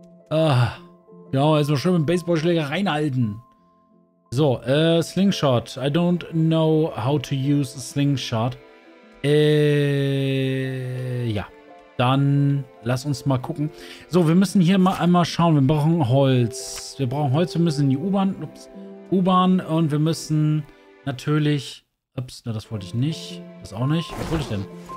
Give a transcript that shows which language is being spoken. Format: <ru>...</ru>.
<de>Erstmal schön mit dem Baseballschläger reinhalten. So, Slingshot.</de> <en>I don't know how to use a Slingshot.</en> <de>Dann lass uns mal gucken. So, wir müssen hier mal einmal schauen. Wir brauchen Holz. Wir müssen in die U-Bahn. U-Bahn und wir müssen natürlich. Das wollte ich nicht. Das auch nicht. Was wollte ich denn?</de>